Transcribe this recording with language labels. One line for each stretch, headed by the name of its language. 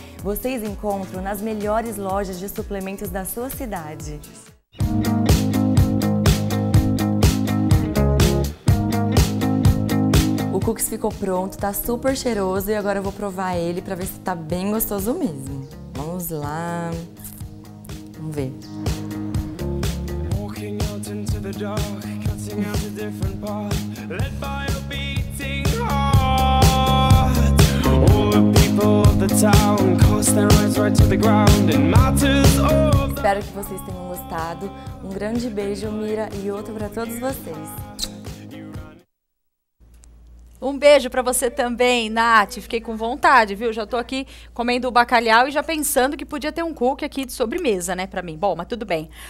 Portuguese: Vocês encontram nas melhores lojas de suplementos da sua cidade. O cookies ficou pronto, tá super cheiroso e agora eu vou provar ele pra ver se tá bem gostoso mesmo. Vamos lá. Vamos ver.
English: Walking out into the dark, cutting out a different path, led by a beating heart. All the people of the town cast their eyes right to the ground and matters of the...
Portuguese: Espero que vocês tenham gostado. Um grande beijo, Mira, e outro pra todos vocês. Um beijo para você também, Nath. Fiquei com vontade, viu? Já tô aqui comendo o bacalhau e já pensando que podia ter um cookie aqui de sobremesa, né, para mim. Bom, mas tudo bem.